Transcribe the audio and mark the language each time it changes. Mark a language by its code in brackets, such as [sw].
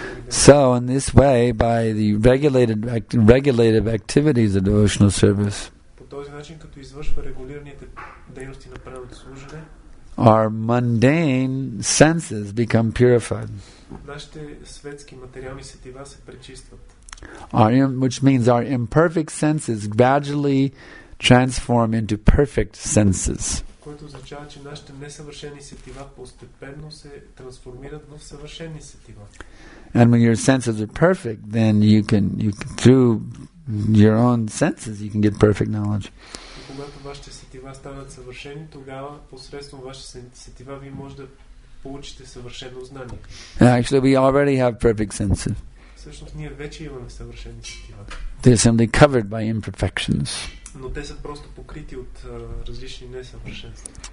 [en] So in this way, by the regulated activities of devotional service, [bg] по този начин, като извършва регулираните дейности на правилното служене, [en] our mundane senses become purified. [bg] Нашите светски материални сетива се пречистват. [en] Which means our imperfect senses gradually transform into perfect senses. [bg] Което означава, че нашите несъвършени сетива постепенно се трансформират в съвършени сетива. [en] And when your senses are perfect, then you can through your own senses you can get perfect knowledge. [bg] Когато вашите сетива станат съвършени, тогава посредством вашите сетива ви може да получите съвършено знание. [en] Actually, we already have perfect senses. [bg] Всъщност ние вече имаме съвършени сетива. [en] They are simply covered by imperfections. [bg] Но те са просто покрити от различни несъвършенства.